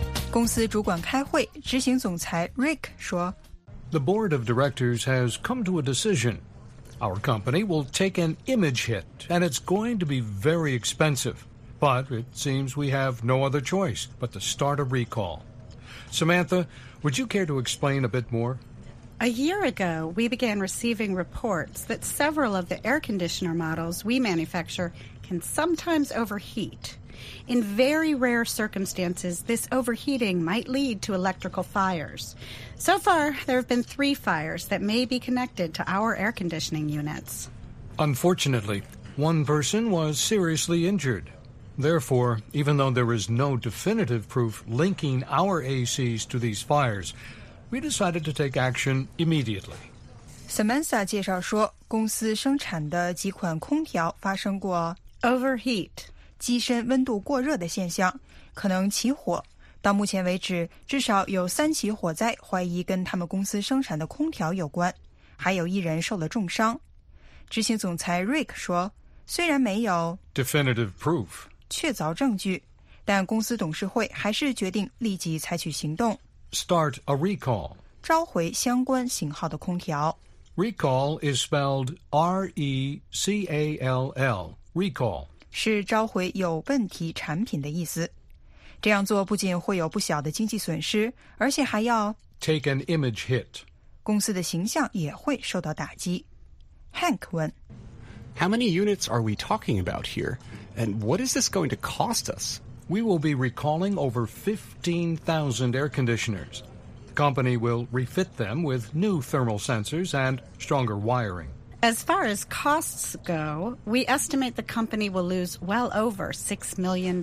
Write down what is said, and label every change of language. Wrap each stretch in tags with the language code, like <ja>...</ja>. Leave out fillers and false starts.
<zh>公司主管开会，执行总裁 Rick 说，</zh> <en>The board of directors has come to a decision. Our company will take an image hit, and it's going to be very expensive. But it seems we have no other choice but to start a recall. Samantha, would you care to explain a bit more? A year ago, we began receiving reports that several of the air conditioner models we manufacture can sometimes overheat. In very rare circumstances, this overheating might lead to electrical fires. So far, there have been 3 fires that may be connected to our air conditioning units. Unfortunately, one person was seriously injured. Therefore, even though there is no definitive proof linking our ACs to these fires, we decided to take action immediately.</en> <zh>Samantha 介绍说，公司生产的几款空调发生过</zh> <en>overheat</en> <zh>机身温度过热的现象，可能起火。到目前为止，至少有3起火灾怀疑跟他们公司生产的空调有关，还有一人受了重伤。执行总裁 Rick 说，虽然没有</zh> <en>definitive proof</en> <zh>确凿证据，但公司董事会还是决定立即采取行动</zh> <en>start a recall</en> <zh>召回相关型号的空调。</zh> <en>Recall is spelled R-E-C-A-L-L, recall</en> <zh>是召回有问题产品的意思。这样做不仅会有不小的经济损失，而且还要</zh> <en>take an image hit，</en> <zh>公司的形象也会受到打击。 Hank 问，</zh> <en>How many units are we talking about here? And what is this going to cost us? We will be recalling over 15,000 air conditioners. The company will refit them with new thermal sensors and stronger wiring. As far as costs go, we estimate the company will lose well over $6 million.</en>